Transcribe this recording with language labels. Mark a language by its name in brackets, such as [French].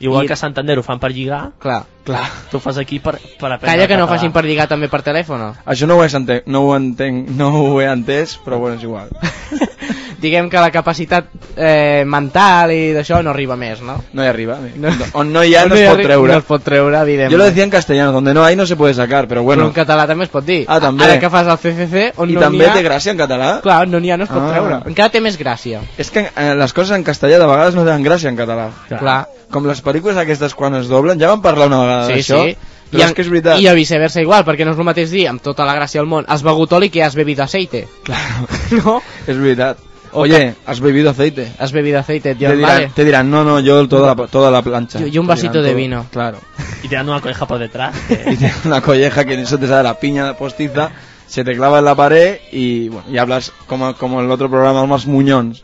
[Catalan] Igual que Santander ho fan per lligar. Clar. Clar. Tu ho fas aquí per aprendre català. Calla que no ho facin per lligar també per telèfon. Això no ho he entès, però bueno, és igual. Diguem que la capacitat mental i d'això no arriba més, no? No hi arriba. On no hi ha, no es pot treure. No es pot treure, evidentment. [Spanish] Yo lo decía en castellano, donde no hay no se puede sacar, pero bueno. [Catalan] Però en català també es pot dir. Ah, també. Ara que fas el CCC, on no hi ha... I també té gràcia en català? Clar, on no hi ha no es pot treure. Encara té més gràcia. És que les coses en castellà de vegades no tenen gràcia en català. Clar. Com les pel·lícules aquestes quan es doblen, ja vam parlar una vegada d'això. Sí, sí. Però és que és veritat. I a viceversa igual, perquè no és el mateix dir, amb tota la gràcia del món, has begut oli que [Spanish] has bebido aceite. [Catalan] Clar. No? És veritat. [Spanish] Oye, has bebido aceite. Has bebido aceite, tío. Te dirán, no, yo toda la plancha. Y un vasito de vino. Claro. Y te dan una colleja por detrás. Y te dan una colleja que en eso te sale la piña postiza, se te clava en la pared y bueno, y hablas como el otro programa, más muñons.